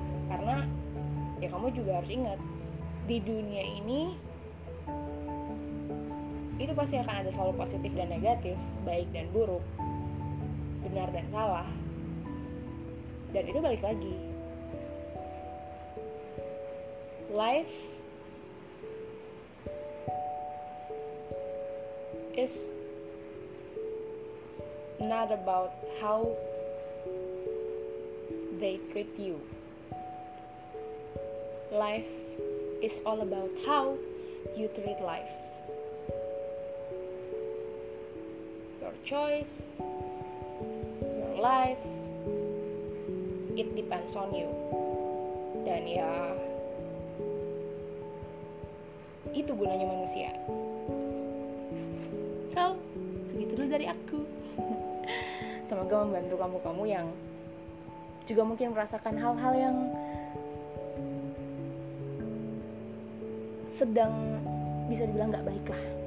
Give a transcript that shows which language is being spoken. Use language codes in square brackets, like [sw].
[id] Karena ya kamu juga harus ingat, di dunia ini itu pasti akan ada selalu positif dan negatif, baik dan buruk, benar dan salah. Dan itu balik lagi, [en] life is not about how they treat you. Life is all about how you treat life. Your choice, your life, it depends on you. [id] Dan ya, itu gunanya manusia. So, segitu dulu dari aku. Semoga membantu kamu-kamu yang juga mungkin merasakan hal-hal yang sedang bisa dibilang gak baik lah.